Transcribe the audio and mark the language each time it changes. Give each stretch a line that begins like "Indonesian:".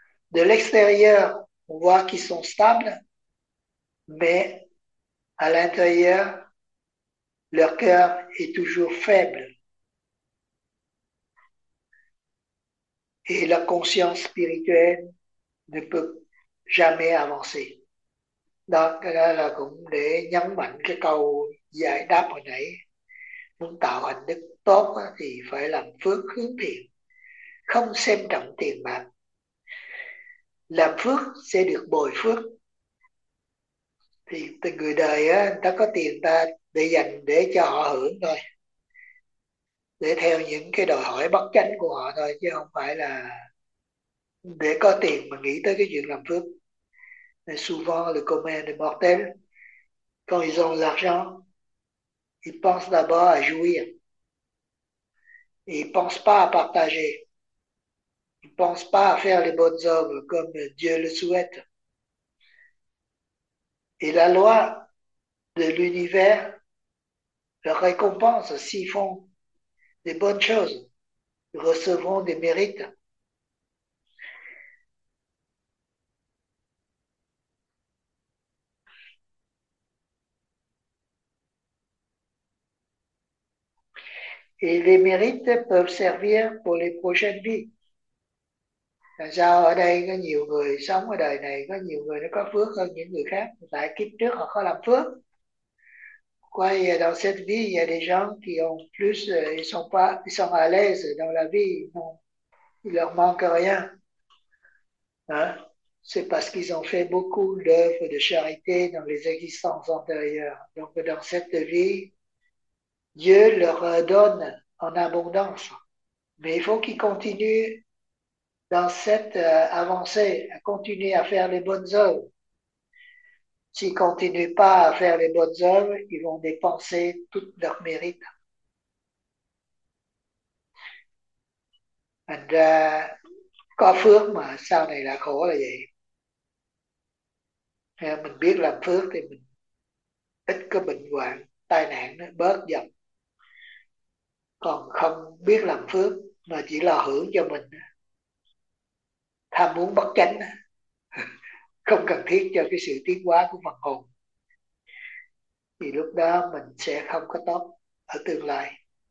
French: De l'extérieur, on voit qu'ils sont stables, mais à l'intérieur, leur cœur est toujours faible. Et la conscience spirituelle ne peut jamais avancer. Donc là,
Vietnamese: cũng để nhấn mạnh cái câu giải đáp hồi nãy. Muốn tạo hạnh đức tốt thì phải làm phước hướng thiện, không xem trọng tiền bạc. Làm phước sẽ được bồi phước. Thì từ người đời á, người ta có tiền ta để dành để cho họ hưởng thôi, để theo những cái đòi hỏi bất chánh của họ thôi, chứ không phải là để có tiền mà nghĩ tới cái chuyện làm phước.
French: Mais souvent le commun des mortels quand ils ont de l'argent, ils pensent d'abord à jouir. Ils pensent pas à partager. Ils pensent pas à faire les bonnes œuvres comme Dieu le souhaite. Et la loi de l'univers leur récompense s'ils font des bonnes choses. Ils recevront des mérites. Et les mérites peuvent servir pour les prochaines vies.
Vietnamese: Tại sao ở đây có nhiều người sống ở đời này, có nhiều người nó có phước hơn những người khác? Tại kiếp trước họ có làm phước.
French: Pourquoi dans cette vie, il y a des gens qui ont plus, ils sont à l'aise dans la vie, il leur manque rien. Hein? C'est parce qu'ils ont fait beaucoup d'œuvres de charité dans les existences antérieures. Donc, dans cette vie, Dieu leur donne en abondance. Mais il faut qu'ils continuent dans cette avancée, à continuer à faire les bonnes œuvres. S'ils ne continuent pas à faire les bonnes œuvres, ils vont dépenser tout leur mérite.
Vietnamese: Có phước mà sau này là khổ là vậy. Nên mình biết làm phước thì mình ít có bệnh hoạn, tai nạn nó bớt dần. Còn không biết làm phước mà chỉ là hưởng cho mình, tham muốn bất chánh, không cần thiết cho cái sự tiến hóa của phần hồn, thì lúc đó mình sẽ không có tốt ở tương lai.